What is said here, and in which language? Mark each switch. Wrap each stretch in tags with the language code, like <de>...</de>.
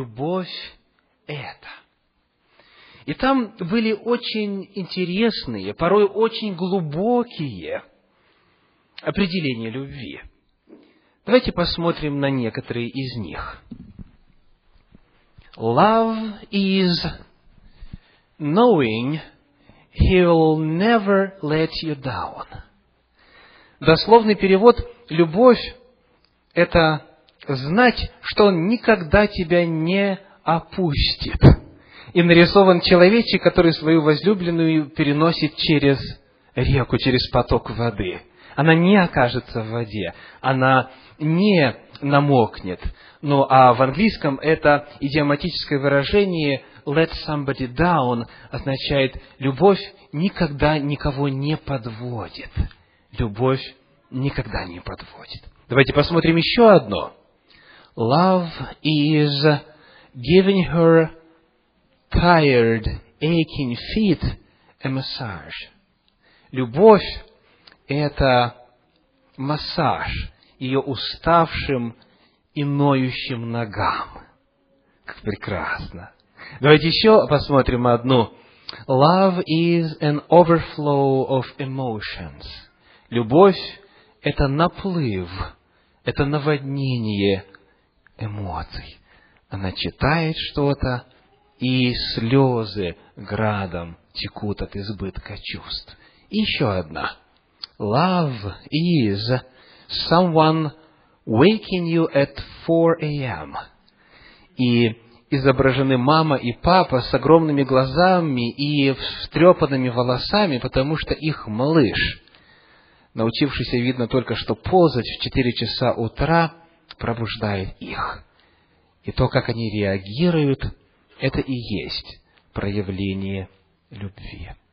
<ru>«Любовь – это». И там были очень интересные, порой очень глубокие определения любви. Давайте посмотрим на некоторые из них.</ru> <en>Love is knowing he will never let you down.</en> <ru>Дословный перевод «любовь» – это знать, что он никогда тебя не опустит. И нарисован человечек, который свою возлюбленную переносит через реку, через поток воды. Она не окажется в воде, она не намокнет. Ну, а в английском это идиоматическое выражение</ru> <en>«let somebody down»</en> <ru>означает «любовь никогда никого не подводит». Любовь никогда не подводит. Давайте посмотрим еще одно.</ru> <en>Love is giving her tired, aching feet a massage.</en> <ru>Любовь – это массаж ее уставшим и ноющим ногам. Как прекрасно! Давайте еще посмотрим одну.</ru> <en>Love is an overflow of emotions.</en> <ru>Любовь – это наплыв, это наводнение эмоций. Она читает что-то, и слезы градом текут от избытка чувств. И еще одна.</ru> <en>Love is someone waking you at 4 a.m.</en> <ru>И изображены мама и папа с огромными глазами и встрепанными волосами, потому что их малыш, научившийся, видно, только что ползать в 4 часа утра, пробуждает их. И то, как они реагируют, это и есть проявление любви.</ru>